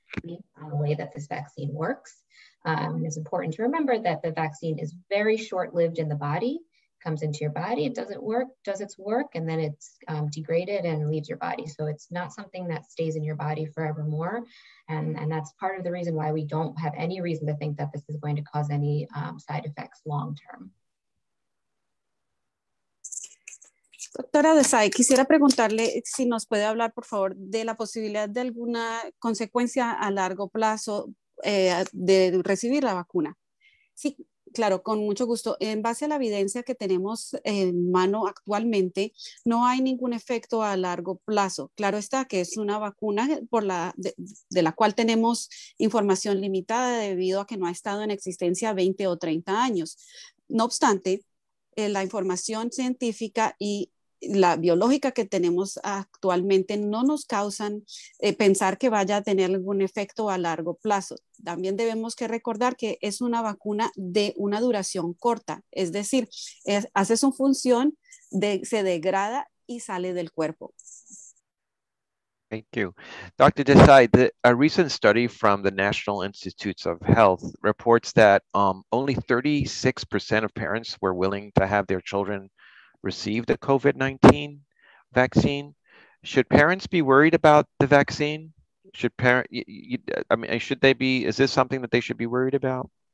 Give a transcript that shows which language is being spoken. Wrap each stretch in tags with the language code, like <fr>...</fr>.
<en>The way that this vaccine works. It's important to remember that the vaccine is very short-lived in the body, comes into your body, it doesn't work, does its work, and then it's degraded and leaves your body. So it's not something that stays in your body forevermore. And that's part of the reason why we don't have any reason to think that this is going to cause any side effects long-term.</en> <es>Doctora Desai, quisiera preguntarle si nos puede hablar, por favor, de la posibilidad de alguna consecuencia a largo plazo de recibir la vacuna. Sí, claro, con mucho gusto. En base a la evidencia que tenemos en mano actualmente, no hay ningún efecto a largo plazo. Claro está que es una vacuna de la cual tenemos información limitada debido a que no ha estado en existencia 20 o 30 años. No obstante, la información científica y la biológica que tenemos actualmente no nos causan pensar que vaya a tener algún efecto a largo plazo. También debemos que recordar que es una vacuna de una duración corta, es decir, hace su función, se degrada y sale del cuerpo.</es> <en>Thank you. Dr. Desai, a recent study from the National Institutes of Health reports that only 36% of parents were willing to have their children receive the COVID-19 vaccine. Should parents be worried about the vaccine? Is this something that they should be worried about?</en>